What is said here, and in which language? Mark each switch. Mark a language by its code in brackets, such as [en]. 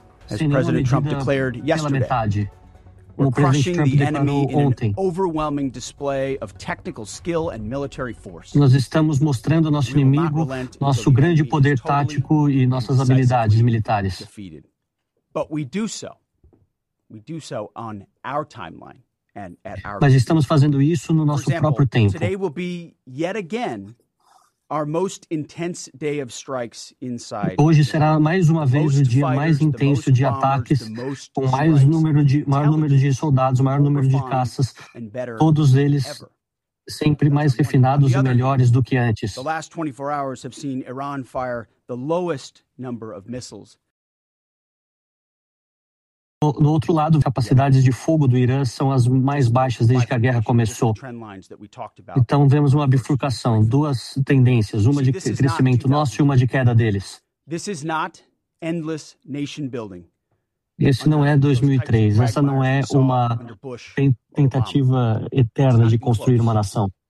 [en] As President Trump declared yesterday, we're crushing the enemy in an overwhelming display of technical skill and military force. [pt] Nós estamos mostrando nosso inimigo, nosso grande poder tático e nossas habilidades militares. [en] But we do so. We do so on our timeline. [pt] Mas estamos fazendo isso no nosso próprio tempo. [en] Today will be yet again our most intense day of strikes inside. [pt] Hoje será mais uma vez o dia mais intenso de ataques, com maior número de soldados, maior número de caças, todos eles sempre mais refinados e melhores do que antes. [en] The last 24 hours have seen Iran fire the lowest number of missiles. [pt] Do outro lado, as capacidades de fogo do Irã são as mais baixas desde que a guerra começou. Então vemos uma bifurcação, duas tendências, uma de crescimento nosso e uma de queda deles. Esse não é 2003, essa não é uma tentativa eterna de construir uma nação.